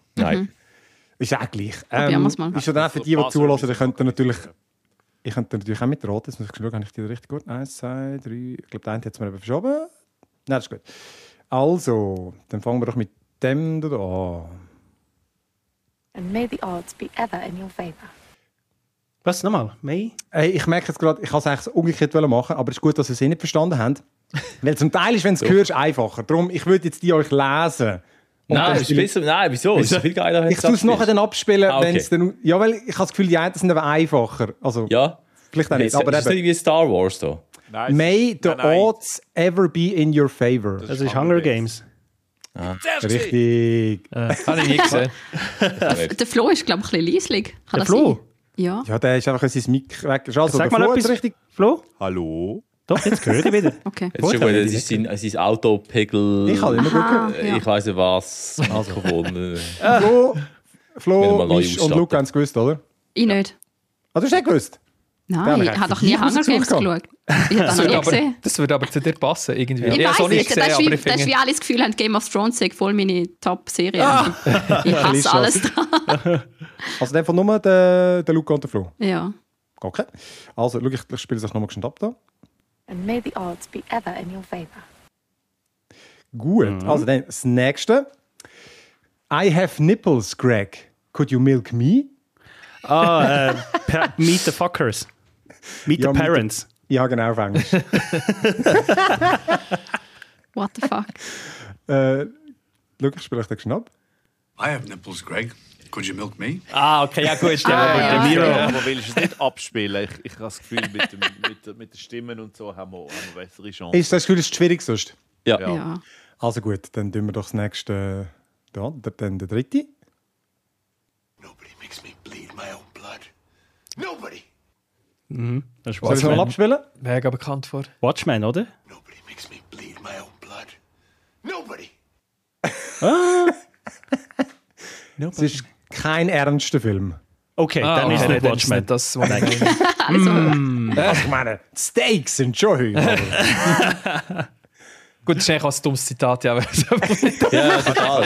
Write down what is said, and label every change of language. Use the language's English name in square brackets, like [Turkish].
[German] Nein. Ist auch gleich. Ist ja dann auch für die, die zulassen, die könnten natürlich. Ich könnte natürlich auch mit roten, jetzt muss ich schauen, habe ich die richtig gut? 1, 2, 3. Ich glaube, der eine hat es mir eben verschoben. Nein, das ist gut. Also, dann fangen wir doch mit dem an. [English] And may the odds be ever in your favor. [German] Was nochmal? May? Hey, ich merke jetzt gerade, ich wollte es eigentlich umgekehrt machen, aber es ist gut, dass ihr es eh nicht verstanden habt. Weil zum Teil ist, wenn du es hörst, einfacher. Darum, ich würde jetzt die euch lesen. Und nein, ist bisschen, nein, wieso? Ist viel geiler, ich tue es nachher dann abspielen, wenn es dann. Ja, weil ich habe das Gefühl, die einen sind aber einfacher. Also, ja? Vielleicht auch nicht. Aber ist das wie Star Wars da? [English] Nice. May the odds ever be in your favor. [German] Das ist Hunger Games. Ah. Richtig. Habe ich nie gesehen. Der Flo ist, glaube ich, ein bisschen leislig. Der Flo? Sein? Ja. Ja, der ist einfach sein Mic weg. Also, sag mal etwas richtig. Flo? Hallo? Doch, jetzt gehört er wieder. Okay. Jetzt gut, ist schon sein Autopegel. Ich habe immer gut gehört. Ja. Ich weiss nicht was. Also, Flo, Misch und Luke haben es gewusst, oder? Ich nicht. Hast du es nicht gewusst? Nein, ich habe doch nie Hunger Games geschaut. Ich habe noch nie gesehen. Das würde aber zu dir passen. Irgendwie. Ich weiß nicht, das ist wie alle das Gefühl haben, Game of Thrones sei voll meine Top-Serie. Ich hasse alles da. Also einfach nur der Luke und der Flo. Ja. Okay. Also, ich spiele es euch nochmal geschnitt ab da. [English] And may the odds be ever in your favor. [German] Gut, also dann das Nächste. [English] I have nipples, Greg. Could you milk me? Ah, meet the fuckers. Meet the parents. [German] Ja, genau, auf Englisch. [English] What the fuck? [German] Luke, ich spiele euch den geschnitt ab. [English] I have nipples, Greg. Could you milk me? [German] Ah, okay, ja gut. Aber willst du es nicht abspielen? Ich habe das Gefühl, mit den Stimmen und so haben wir bessere Chance. Ist das Gefühl, ist schwierig sonst? Ja. Ja. Also gut, dann tun wir doch das Nächste. Dann der Dritte. [English] Nobody makes me bleed my own blood. Nobody! [German] Soll ich mal abspielen? Mega bekannt vor. Watchmen, oder? [English] Nobody makes me bleed my own blood. Nobody! [German] Es ist kein ernster Film. Okay, dann ist nicht Watchmen. Das ist was ich meine. Steaks sind schon höher. Gut, das ist eigentlich ein dummes Zitat. Ja, total.